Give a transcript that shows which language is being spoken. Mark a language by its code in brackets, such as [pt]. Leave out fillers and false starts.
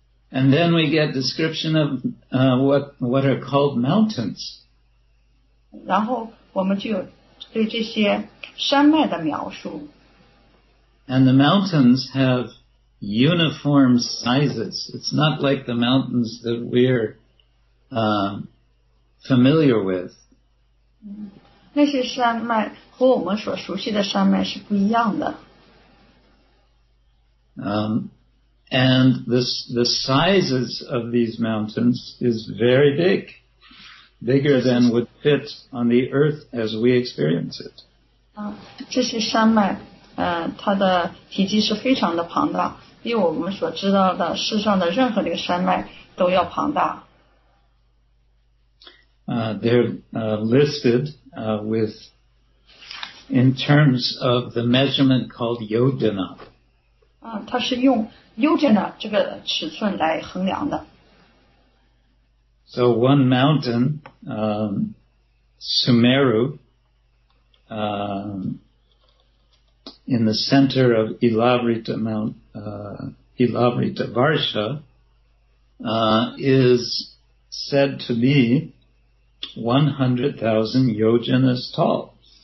[en] And then we get description of what are called mountains. [zh] 然后我们就有对这些山脉的描述。 [en] And the mountains have uniform sizes. It's not like the mountains that we're familiar with. [zh] 那些山脉和我们所熟悉的山脉是不一样的。 [en] And the sizes of these mountains is very big, bigger than would fit on the earth as we experience it. [zh] 这些山脉它的体积是非常的庞大，比我们所知道的世上的任何的山脉都要庞大。 [en] They're listed with in terms of the measurement called yojana. [zh] 它是用Yojana 这个尺寸来衡量的。 [en] So one mountain, Sumeru, in the center of Ilavrita Mount, Ilavrita Varsha, is said to be 100,000 yojanas tall.